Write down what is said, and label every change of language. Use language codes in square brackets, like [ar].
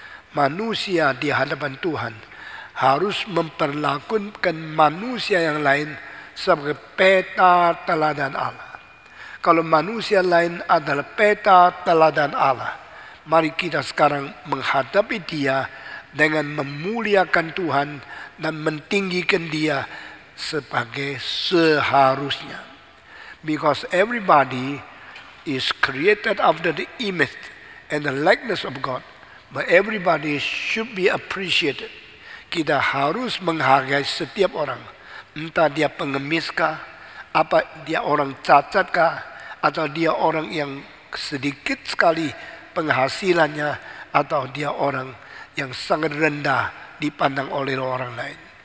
[id] Manusia di hadapan Tuhan harus memperlakukan manusia yang lain sebagai peta teladan Allah. Kalau manusia lain adalah peta teladan Allah, mari kita sekarang menghadapi dia dengan memuliakan Tuhan dan meninggikan dia sebagai seharusnya. [en] Because everybody is created after the image and the likeness of God, but everybody should be appreciated. [id] Kita harus menghargai setiap orang, entah dia pengemis kah, apa dia orang cacat kah, atau dia orang yang sedikit sekali penghasilannya, atau dia orang yang sangat rendah dipandang oleh orang lain.